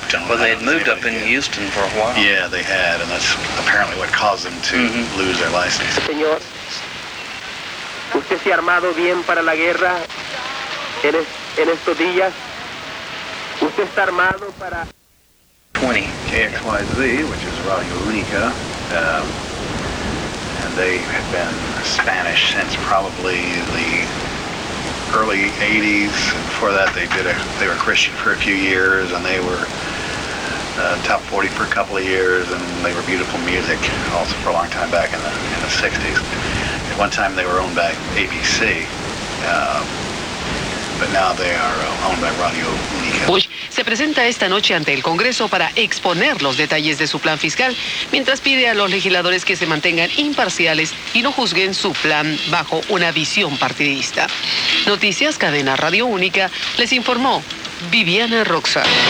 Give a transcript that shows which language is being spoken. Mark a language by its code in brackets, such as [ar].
[en] They had moved up in Houston for a while. Yeah, they had, and that's apparently what caused them to lose their license. [es] Señor. Usted se ha armado bien para la guerra en estos días. Usted está armado para... 20. [en] KXYZ, which is Radio Unica, and they have been Spanish since probably the early 80s. Before that, they were Christian for a few years, and they were top 40 for a couple of years, and they were beautiful music also for a long time back in the 60s. One time they were owned by ABC, but now they are owned by Radio Unica. [es] Bush se presenta esta noche ante el Congreso para exponer los detalles de su plan fiscal, mientras pide a los legisladores que se mantengan imparciales y no juzguen su plan bajo una visión partidista. Noticias Cadena Radio Única, les informó Viviana Roxa.